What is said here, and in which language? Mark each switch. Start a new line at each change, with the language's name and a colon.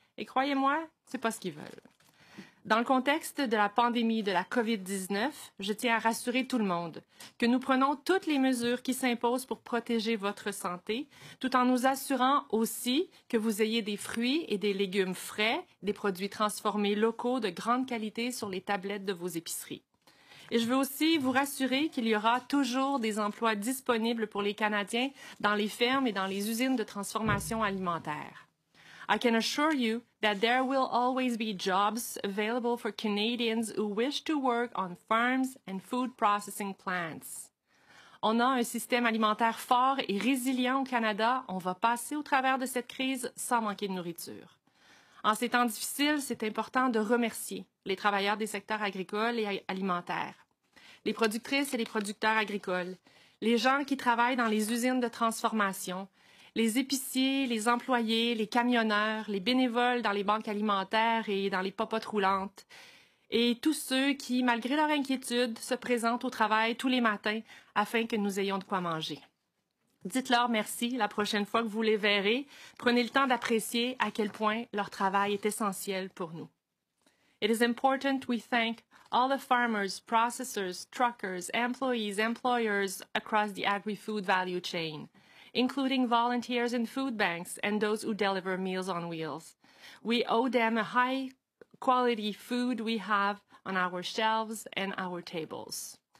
French: Et croyez-moi, c'est pas ce qu'ils veulent. Dans le contexte de la pandémie de la COVID-19, je tiens à rassurer tout le monde que nous prenons toutes les mesures qui s'imposent pour protéger votre santé, tout en nous assurant aussi que vous ayez des fruits et des légumes frais, des produits transformés locaux de grande qualité sur les tablettes de vos épiceries. Et je veux aussi vous rassurer qu'il y aura toujours des emplois disponibles pour les Canadiens dans les fermes et dans les usines de transformation alimentaire.
English: I can assure you that there will always be jobs available for Canadians who wish to work on farms and food processing plants.
French: On a un système alimentaire fort et résilient au Canada. On va passer au travers de cette crise sans manquer de nourriture. En ces temps difficiles, c'est important de remercier les travailleurs des secteurs agricoles et alimentaires, les productrices et les producteurs agricoles, les gens qui travaillent dans les usines de transformation, les épiciers, les employés, les camionneurs, les bénévoles dans les banques alimentaires et dans les popotes roulantes, et tous ceux qui, malgré leur inquiétude, se présentent au travail tous les matins afin que nous ayons de quoi manger. Dites-leur merci la prochaine fois que vous les verrez. Prenez le temps d'apprécier à quel point leur travail est essentiel pour nous.
English: It is important we thank all the farmers, processors, truckers, employees, employers across the agri-food value chain, including volunteers in food banks and those who deliver meals on wheels. We owe them a high quality food we have on our shelves and our tables.